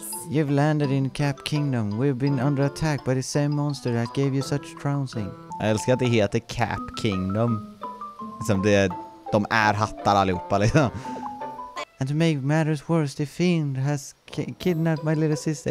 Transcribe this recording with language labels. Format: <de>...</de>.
<en>You've landed in Cap Kingdom. We've been under attack by the same monster that gave you such trouncing.</en> <sv>Jag älskar att det heter Cap Kingdom. Som det är, de är hattar allihopa liksom.</sv> <en>And to make matters worse, the fiend has kidnapped my little sister.</en>